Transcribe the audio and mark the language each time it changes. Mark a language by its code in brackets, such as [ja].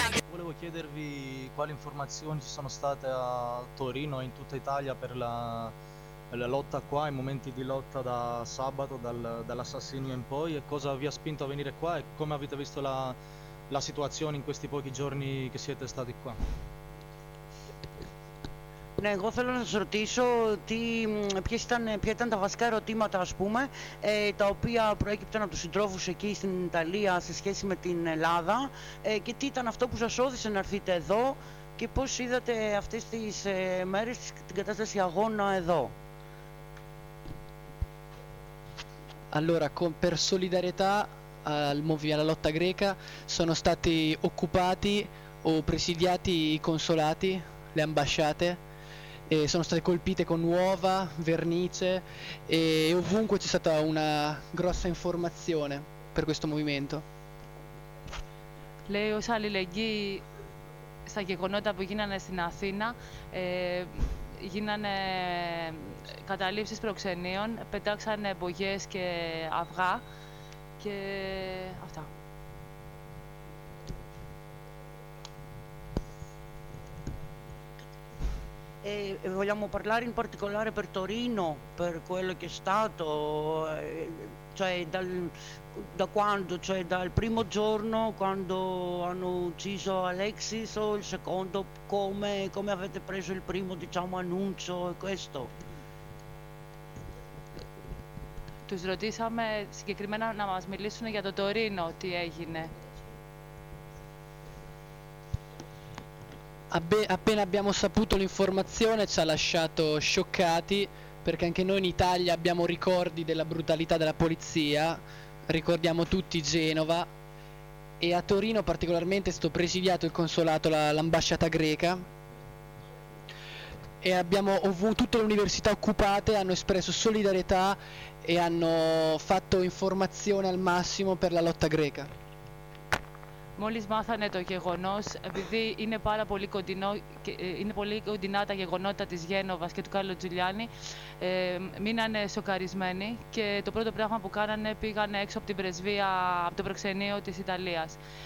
[it] Volevo chiedervi quali informazioni ci sono state a Torino e in tutta Italia per la lotta qua, i momenti di lotta da sabato, dall'assassinio in poi, e cosa vi ha spinto a venire qua e come avete visto la situazione in questi pochi giorni che siete stati qua. [el] Ναι, εγώ θέλω να σας ρωτήσω ποια ήταν τα βασικά ερωτήματα, ας πούμε, τα οποία προέκυπταν από τους συντρόφους εκεί στην Ιταλία σε σχέση με την Ελλάδα, και τι ήταν αυτό που σας όθησε να έρθετε εδώ και πώς είδατε αυτές τις μέρες την κατάσταση αγώνα εδώ. [it] Allora, per solidarietà al alla lotta greca sono stati occupati o presidiati i consolati, le ambasciate, e sono state colpite con uova, vernice e ovunque c'è stata una grossa informazione per questo movimento. [el] Λέει ως αλληλεγγύη στα γεγονότα που γίνανε στην Αθήνα, γίνανε καταλήψεις προξενείων, πετάξανε μπογιές και αυγά και αυτά. [it] Vogliamo parlare in particolare per Torino, per quello che è stato, cioè da quando, cioè dal primo giorno quando hanno ucciso Alexis o il secondo, come avete preso il primo, diciamo, annuncio e questo? [el] Τους ρωτήσαμε συγκεκριμένα να μας μιλήσουν για το Τωρίνο, τι έγινε. [it] Appena abbiamo saputo l'informazione ci ha lasciato scioccati, perché anche noi in Italia abbiamo ricordi della brutalità della polizia, ricordiamo tutti Genova, e a Torino particolarmente è stato presidiato il consolato, l'ambasciata greca, e abbiamo tutte le università occupate hanno espresso solidarietà e hanno fatto informazione al massimo per la lotta greca. [el] Μόλις μάθανε το γεγονός, επειδή είναι πάρα πολύ κοντινό, είναι πολύ κοντινά τα γεγονότα της Γένοβας και του Κάρλο Τζουλιάνι, μείνανε σοκαρισμένοι και το πρώτο πράγμα που κάνανε πήγανε έξω από την πρεσβεία, από το προξενείο της Ιταλίας.